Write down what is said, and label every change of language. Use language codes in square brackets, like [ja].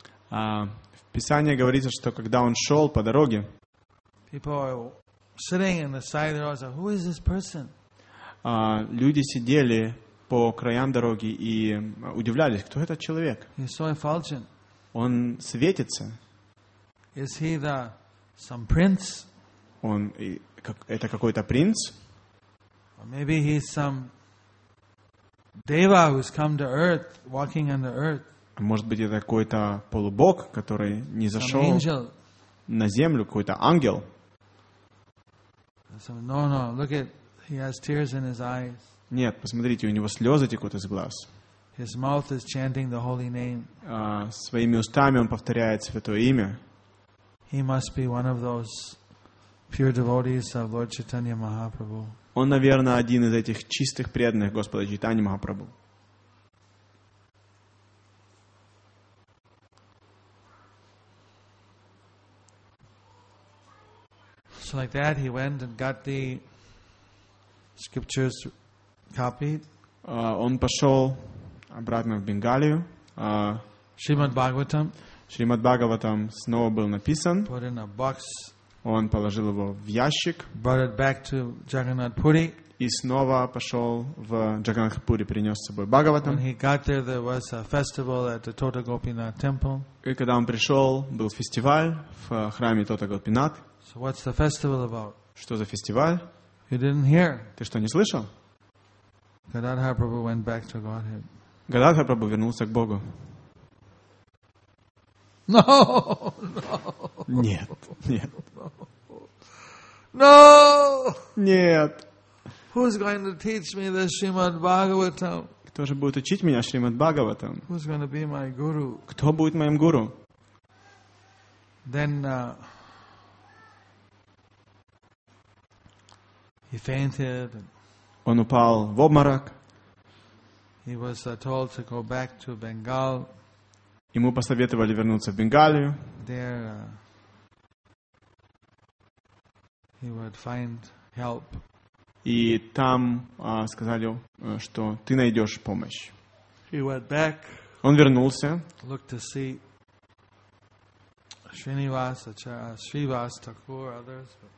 [ru] в Писании говорится, что когда он шел по дороге, [en] people are sitting in the side of the road, who is this person? [ru] Люди сидели по краям дороги и удивлялись, кто этот человек? Он светится. [en] Is he the, some prince? [ru] Он, это какой-то принц? [en] Or maybe he's some deva who's come to earth, walking on the earth. [ru] Может быть, это какой-то полубог, который не зашел [en] some angel. [ru] На землю, какой-то ангел. [en] So, no, no, look at he has tears in his eyes. [ru] Нет, посмотрите, у него слезы текут из глаз. [en] His mouth is chanting the holy name. [ru] Своими устами он повторяет святое имя. [en] He must be one of those pure devotees of Lord Chaitanya Mahaprabhu. [ru] Он, наверное, один из этих чистых преданных Господа Чайтаньи Махапрабху. [en] So like that, he went and got the scriptures copied. [ru] Он пошел обратно в Бенгалию. Шримад Бхагаватам снова был написан. [en] Put in a box. [ru] Он положил его в ящик. [en] Brought it back to Jagannath Puri. [ru] И снова пошел в Джаганнатх Пури, принес с собой Бхагаватам. [en] When he got there, there was a festival at the Tota Gopinath temple. [ru] И когда он пришел, был фестиваль в храме Тота Гопинат. [en] So what's the festival about? [ru] Что за фестиваль? [en] You didn't hear. [ru] Ты что, не слышал? [en] Gadadhar Prabhu went back to Godhead. [ru] Gadadhar Prabhu вернулся к Богу. [en] No, no. [ru] Нет, нет. [en] No. [ru] Нет. [en] Who's going to teach me the Srimad Bhagavatam? [ru] Кто же будет учить меня Шримад Бхагаватам? [en] Who's going to be my guru? [ru] Кто будет моим гуру? [en] Then. He fainted. [ru] Он упал в обморок. [en] He was told to go back to Bengal. [ru] Ему посоветовали вернуться в Бенгалию. [en] There, he would find help. [ru] И там сказали, что ты найдешь помощь. [en] He went back. [ru] Он вернулся. [en] Looked to see Srinivas, Srivas Thakur, others.